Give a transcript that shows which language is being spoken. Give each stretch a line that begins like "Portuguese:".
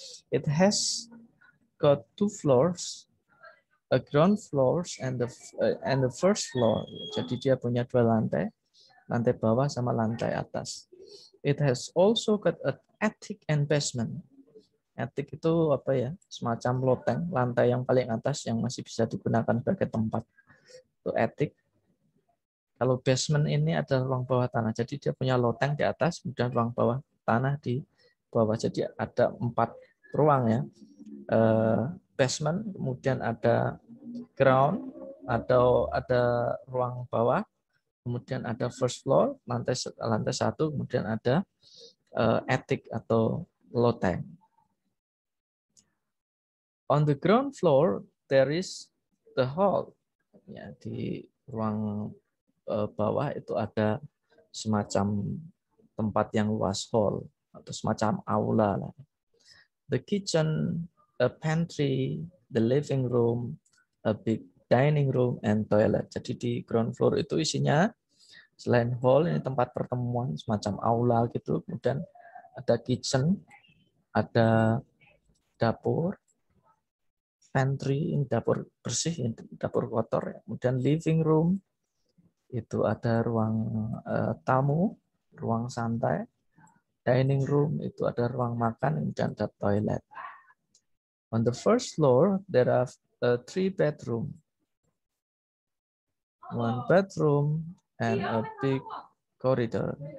English: It has got two floors, a ground floor and the first floor.
Indonesian: Jadi dia punya dua lantai, lantai bawah sama lantai atas.
English: It has also got an attic and basement.
Indonesian: Attic itu apa ya? Semacam loteng, lantai yang paling atas yang masih bisa digunakan sebagai tempat. Itu attic. Kalau basement ini adalah ruang bawah tanah. Jadi dia punya loteng di atas, kemudian ruang bawah tanah di bawah. Jadi ada empat ruang ya. Basement, kemudian ada ground, atau ada ruang bawah, kemudian ada first floor, lantai lantai satu, kemudian ada attic atau loteng.
English: On the ground floor, there is the hall.
Indonesian: Ya, di ruang bawah itu ada semacam tempat yang luas, hall atau semacam aula lah.
English: The kitchen, a pantry, the living room, a big dining room and toilet.
Indonesian: Jadi di ground floor itu isinya selain hall ini tempat pertemuan semacam aula gitu, kemudian ada kitchen, ada dapur, pantry, ini dapur bersih, ini dapur kotor, kemudian living room itu ada ruang tamu, ruang santai, dining room itu ada ruang makan, dan ada toilet.
English: On the first floor there are three bedroom, one bedroom and a big corridor.